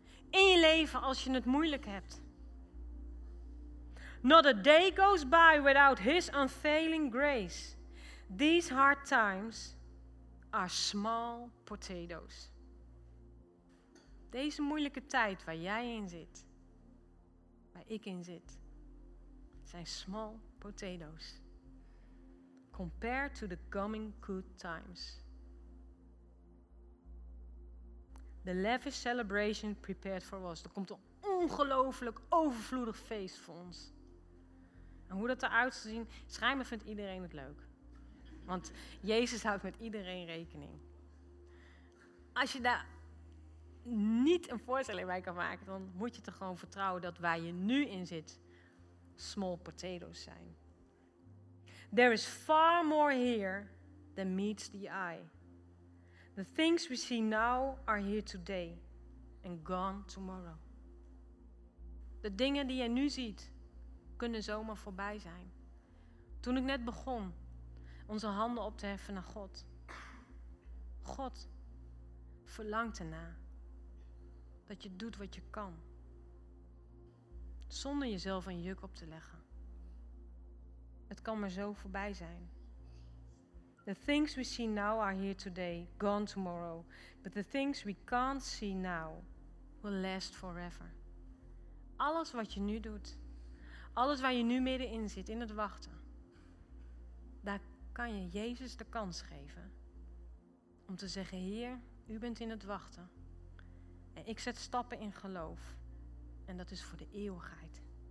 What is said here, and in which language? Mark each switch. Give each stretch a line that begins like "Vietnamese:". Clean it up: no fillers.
Dutch: In je leven als je het moeilijk hebt.
English: Not a day goes by without his unfailing grace. These hard times are small potatoes.
Dutch: Deze moeilijke tijd waar jij in zit, waar ik in zit, zijn
English: small potatoes. Compared to the coming good times. The lavish celebration prepared for us.
Dutch: Er komt een ongelooflijk overvloedig feest voor ons. En hoe dat eruit zal zien, schijnbaar vindt iedereen het leuk. Want Jezus houdt met iedereen rekening. Als je daar niet een voorstelling bij kan maken, dan moet je toch gewoon vertrouwen dat waar je nu in zit,
English: small potatoes
Dutch: zijn.
English: There is far more here than meets the eye. The things we see now are here today and gone tomorrow.
Dutch: De dingen die je nu ziet, kunnen zomaar voorbij zijn. Toen ik net begon onze handen op te heffen naar God. God verlangt ernaar dat je doet wat je kan. Zonder jezelf een juk op te leggen. Het kan maar zo voorbij zijn.
English: The things we see now are here today, gone tomorrow. But the things we can't see now will last forever.
Dutch: Alles wat je nu doet, alles waar je nu middenin zit in het wachten, daar kan je Jezus de kans geven om te zeggen, Heer, u bent in het wachten. En ik zet stappen in geloof. En dat is voor de eeuwigheid.